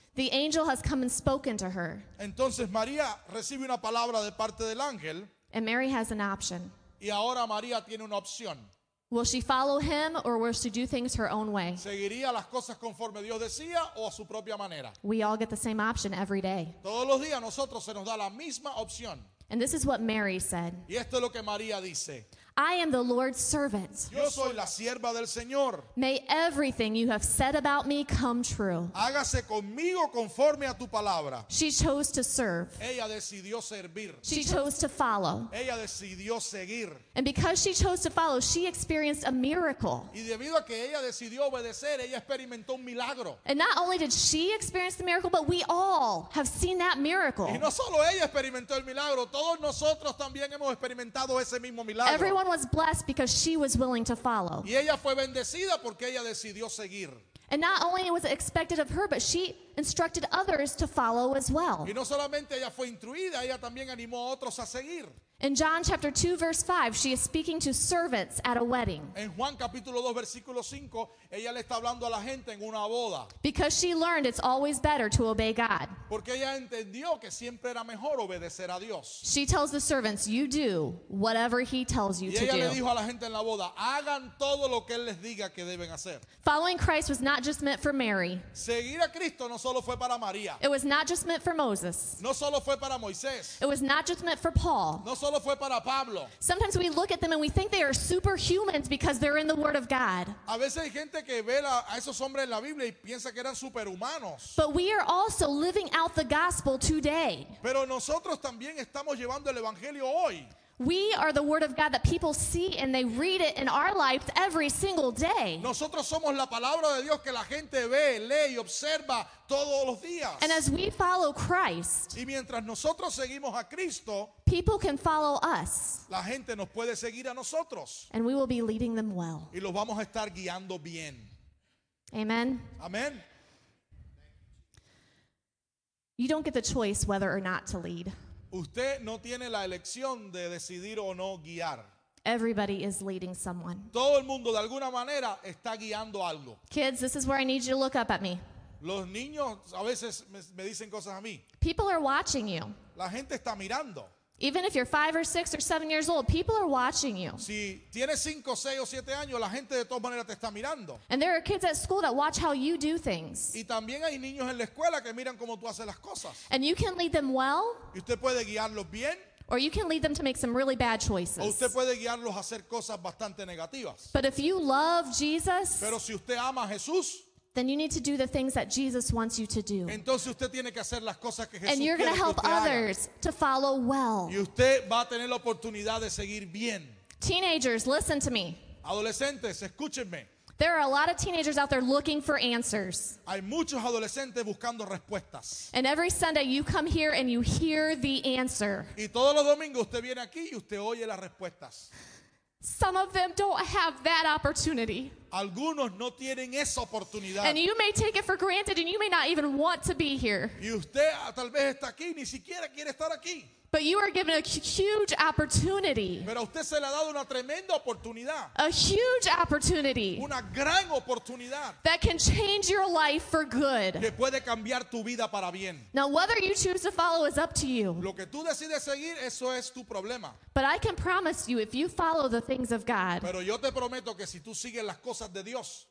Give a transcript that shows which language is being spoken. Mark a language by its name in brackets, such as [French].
[English] The angel has come and spoken to her. [Spanish] Entonces María recibe una palabra de parte del ángel. [English] And Mary has an option. [Spanish] Y ahora María tiene una opción. [English] Will she follow him or will she do things her own way? [Spanish] ¿Seguiría las cosas conforme Dios decía o a su propia manera? [English] We all get the same option every day. [Spanish] Todos los días nosotros se nos da la misma opción. [English] And this is what Mary said. [Spanish] Y esto es lo que María dice. [English] I am the Lord's servant. [Spanish] Yo soy la sierva del Señor. [English] May everything you have said about me come true. [Spanish] Hágase conmigo conforme a tu palabra. [English] She chose to serve. [Spanish] Ella decidió servir. [English] She chose to follow. [Spanish] Ella decidió seguir. [English] And because she chose to follow, she experienced a miracle. [Spanish] Y debido a que ella decidió obedecer, ella experimentó un milagro. [English] And not only did she experience the miracle, but we all have seen that miracle. [Spanish] Y no solo ella experimentó el milagro, todos nosotros también hemos experimentado ese mismo milagro. [English] Everyone was blessed because she was willing to follow. [Spanish] Y ella fue bendecida porque ella decidió seguir. [English] And not only was it expected of her, but she instructed others to follow as well. [Spanish] Y no solamente ella fue instruida, ella también animó a otros a seguir. [English] In John chapter 2 verse 5, she is speaking to servants at a wedding. [Spanish] En Juan capítulo 2 versículo 5, ella le está hablando a la gente en una boda. [English] Because she learned it's always better to obey God. [Spanish] Porque ella entendió que siempre era mejor obedecer a Dios. [English] She tells the servants, "You do whatever he tells you to do." [Spanish] Y ella le dijo a la gente en la boda, "Hagan todo lo que él les diga que deben hacer." [English] Following Christ was not just meant for Mary. [Spanish] Seguir a Cristo no solo fue para María. [English] It was not just meant for Moses. [Spanish] No solo fue para Moisés. [English] It was not just meant for Paul. [Spanish] No solo fue para Pablo. [English] Sometimes we look at them and we think they are superhumans because they're in the Word of God. [Spanish] A veces hay gente que ve a esos hombres en la Biblia y piensa que eran superhumanos. [English] But we are also living out the gospel today. [Spanish] Pero nosotros también estamos llevando el evangelio hoy. [English] We are the Word of God that people see and they read it in our lives every single day. [Spanish] Nosotros somos la palabra de Dios que la gente ve, lee y observa todos los días. [English] And as we follow Christ, [Spanish] y mientras nosotros seguimos a Cristo, [English] people can follow us. [Spanish] La gente nos puede seguir a nosotros. [English] And we will be leading them well. [Spanish] Y los vamos a estar guiando bien. [English] Amen. Amen. You don't get the choice whether or not to lead. [Spanish] Usted no tiene la elección de decidir o no guiar. [English] Everybody is leading someone. [Spanish] Todo el mundo de alguna manera está guiando algo. [English] Kids, this is where I need you to look up at me. [Spanish] Los niños a veces me dicen cosas a mí. [English] People are watching you. [Spanish] La gente está mirando. [English] Even if you're 5 or 6 or 7 years old, people are watching you. [Spanish] Si tienes 5, 6 o 7 años, la gente de todas maneras te está mirando. [English] And there are kids at school that watch how you do things. [Spanish] Y también hay niños en la escuela que miran cómo tú haces las cosas. [English] And you can lead them well. [Spanish] Y usted puede guiarlos bien. [English] Or you can lead them to make some really bad choices. [Spanish] O usted puede guiarlos a hacer cosas bastante negativas. [English] But if you love Jesus, [Spanish] pero si usted ama a Jesús, [English] then you need to do the things that Jesus wants you to do. [Spanish] Entonces usted tiene que hacer las cosas que Jesús [English] and you're going to help others [Spanish] haga. [English] To follow well. [Spanish] Y usted va a tener la oportunidad de seguir bien. [English] Teenagers, listen to me. [Spanish] Adolescentes, escúchenme. [English] There are a lot of teenagers out there looking for answers. [Spanish] Hay muchos adolescentes buscando respuestas. [English] And every Sunday you come here and you hear the answer. [Spanish] Y todos los domingos usted viene aquí y usted oye las respuestas. [English] Some of them don't have that opportunity. [Spanish] Algunos no tienen esa oportunidad. [English] And you may take it for granted and you may not even want to be here. [Spanish] Y usted tal vez está aquí, ni siquiera quiere estar aquí. [English] But you are given a huge opportunity. [Spanish] Pero a usted se le ha dado una tremenda oportunidad. [English] A huge opportunity. [Spanish] Una gran oportunidad. [English] That can change your life for good. [Spanish] Que puede cambiar tu vida para bien. [English] Now whether you choose to follow is up to you. [Spanish] Lo que tú decides seguir, eso es tu problema. [English] But I can promise you if you follow the things of God. [Spanish] Pero yo te prometo que si tú sigues las cosas de Dios,